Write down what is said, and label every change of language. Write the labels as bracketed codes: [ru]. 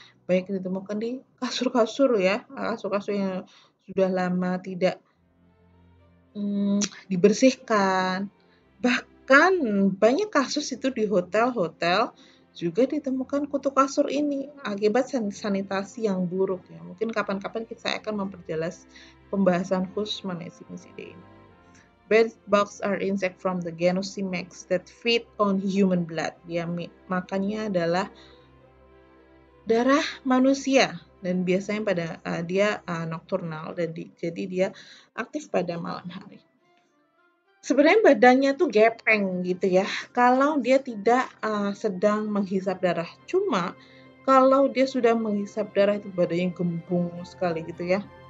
[id] Banyak ditemukan di kasur-kasur ya, kasur-kasur yang sudah lama tidak dibersihkan. Bahkan Kan banyak kasus itu di hotel-hotel juga ditemukan kutu kasur ini akibat sanitasi yang buruk ya. Mungkin kapan-kapan kita akan memperjelas pembahasan khusus mengenai sini-sini ini. [en] Bed bugs are insect from the genus Simex that feed on human blood. [id] Dia makannya adalah darah manusia dan biasanya pada dia nokturnal dan jadi dia aktif pada malam hari. Sebenarnya badannya tuh gepeng gitu ya. Kalau dia tidak sedang menghisap darah, cuma kalau dia sudah menghisap darah itu badannya gembung sekali gitu ya.